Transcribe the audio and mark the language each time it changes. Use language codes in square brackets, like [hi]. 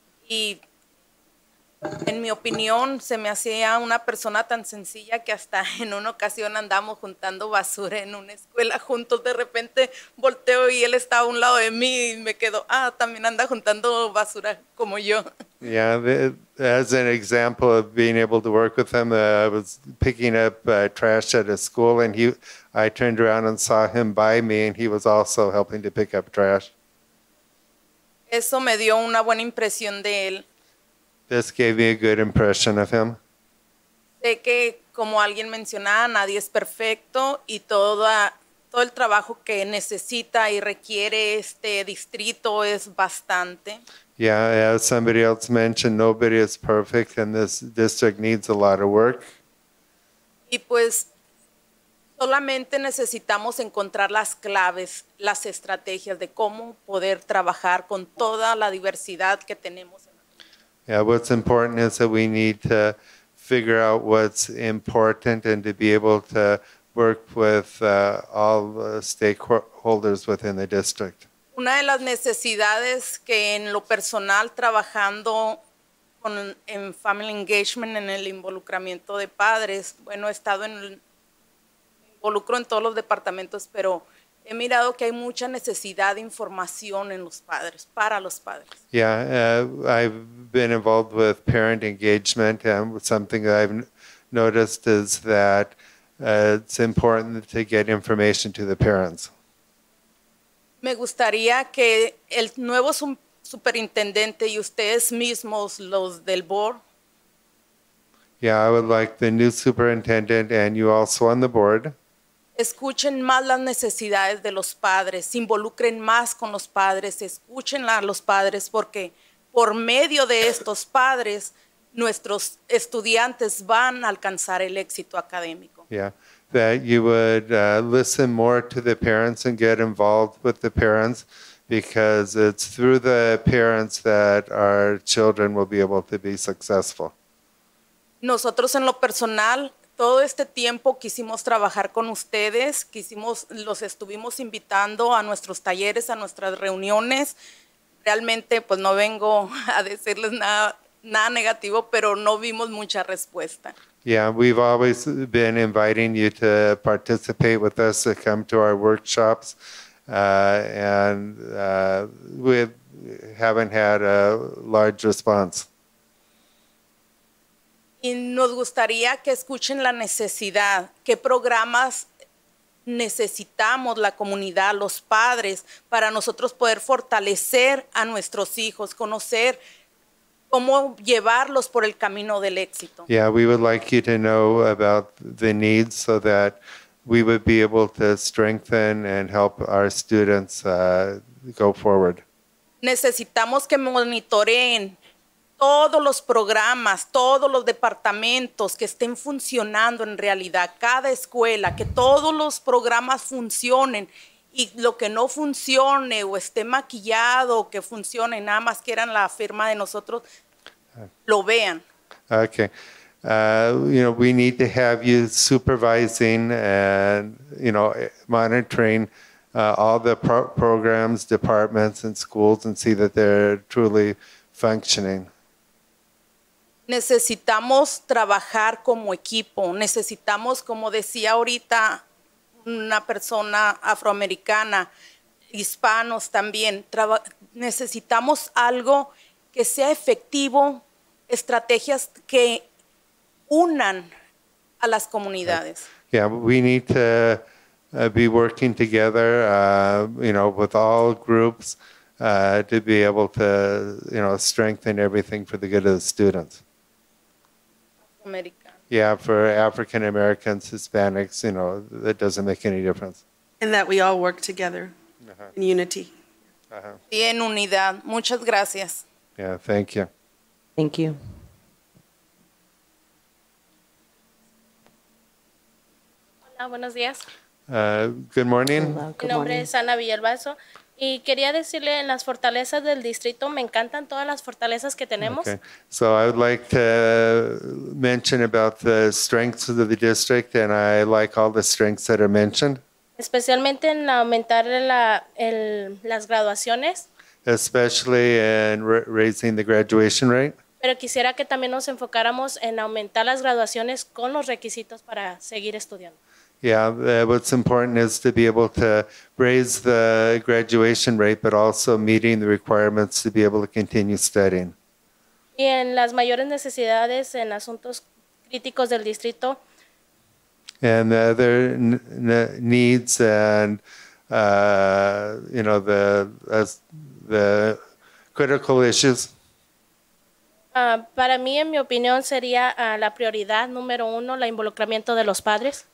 [es] Y en mi opinión, se me hacía una persona tan sencilla que hasta en una ocasión andamos juntando basura en una escuela juntos. De repente volteo y él está a un lado de mí y me quedo, también anda juntando basura como yo. [en] Yeah, as an example of being able to work with him, I was picking up trash at a school and I turned around and saw him by me and he was also helping to pick up trash. [es] Eso me dio una buena impresión de él. [en] This gave me a good impression of him. [es] Sé que, como alguien mencionaba, nadie es perfecto y todo el trabajo que necesita y requiere este distrito es bastante. [en] Yeah, as somebody else mentioned, nobody is perfect and this district needs a lot of work. [es] Y pues, solamente necesitamos encontrar las claves, las estrategias de cómo poder trabajar con toda la diversidad que tenemos. [en] Yeah, what's important is that we need to figure out what's important and to be able to work with all the stakeholders within the district. [es] Una de las necesidades que en lo personal trabajando en [en] family engagement, [es] en el involucramiento de padres, bueno, he estado involucro en todos los departamentos, pero he mirado que hay mucha necesidad de información en los padres, para los padres. [en] Yeah, I've been involved with parent engagement, and something that I've noticed is that it's important to get information to the parents. [es] Me gustaría que el nuevo superintendente y ustedes mismos, los del board. [en] Yeah, I would like the new superintendent and you also on the board. [es] Escuchen más las necesidades de los padres, se involucren más con los padres, escuchen a los padres, porque por medio de estos padres nuestros estudiantes van a alcanzar el éxito académico. [en] Yeah, that you would listen more to the parents and get involved with the parents, because it's through the parents that our children will be able to be successful. [es] Nosotros en lo personal, todo este tiempo quisimos trabajar con ustedes, quisimos, los estuvimos invitando a nuestros talleres, a nuestras reuniones. Realmente, pues no vengo a decirles nada negativo, pero no vimos mucha respuesta. [en] Yeah, we've always been inviting you to participate with us, to come to our workshops, and we haven't had a large response. [es] Y nos gustaría que escuchen la necesidad, qué programas necesitamos la comunidad, los padres, para nosotros poder fortalecer a nuestros hijos, conocer cómo llevarlos por el camino del éxito. [en] Yeah, we would like you to know about the needs so that we would be able to strengthen and help our students go forward. [es] Necesitamos que monitoreen todos los programas, todos los departamentos que estén funcionando en realidad, cada escuela, que todos los programas funcionen, y lo que no funcione o esté maquillado o que funcione, nada más que eran la firma de nosotros, lo vean. [en] Okay. You know, we need to have you supervising and, you know, monitoring all the programs, departments, and schools, and see that they're truly functioning. [es] Necesitamos trabajar como equipo. Necesitamos, como decía ahorita una persona afroamericana, hispanos también. Necesitamos algo que sea efectivo, estrategias que unan a las comunidades. [en] Yeah, we need to be working together, you know, with all groups to be able to, you know, strengthen everything for the good of the students. America. Yeah, for African Americans, Hispanics, you know, that doesn't make any difference. And that we all work together in unity. [es] Y en unidad. Muchas gracias. [en] Yeah, thank you. Thank you. [es] Hola, buenos días. [en] Good morning. [es] Mi nombre es Ana Villalbazo. Y quería decirle, en las fortalezas del distrito, me encantan todas las fortalezas que tenemos. [en] Okay. So I would like to mention about the strengths of the district, and I like all the strengths that are mentioned. [es] Especialmente en aumentar las graduaciones. [en] Especially in raising the graduation rate. [es] Pero quisiera que también nos enfocáramos en aumentar las graduaciones con los requisitos para seguir estudiando. [en] Yeah, what's important is to be able to raise the graduation rate, but also meeting the requirements to be able to continue studying. [es] Y en las mayores necesidades en asuntos críticos del distrito. [en] And the other needs and, you know, the critical issues. [es] Para mí, en mi opinión, sería la prioridad número uno, el involucramiento de los padres.